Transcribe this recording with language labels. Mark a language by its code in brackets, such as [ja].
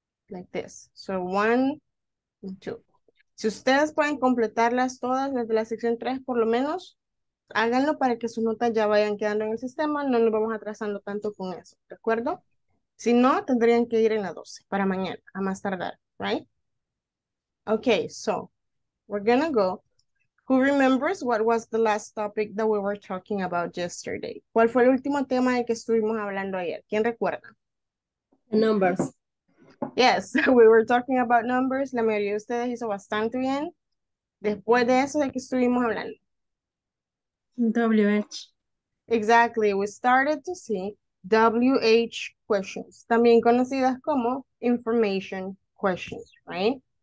[en] Like this. So one and two. [es] Si ustedes pueden completarlas todas desde la sección 3 por lo menos, háganlo para que sus notas ya vayan quedando en el sistema, no nos vamos atrasando tanto con eso, ¿de acuerdo? Si no, tendrían que ir en la 12 para mañana, a más tardar, right? [en] Okay, so, we're gonna go. Who remembers what was the last topic that we were talking about yesterday? [es] ¿Cuál fue el último tema de que estuvimos hablando ayer? ¿Quién recuerda? [en] Numbers. Yes, we were talking about numbers. [es] La mayoría de ustedes hizo bastante bien. Después de eso, ¿de qué estuvimos hablando? [en] WH. Exactly. We started to see WH questions, [es] también conocidas como [en] information questions, right?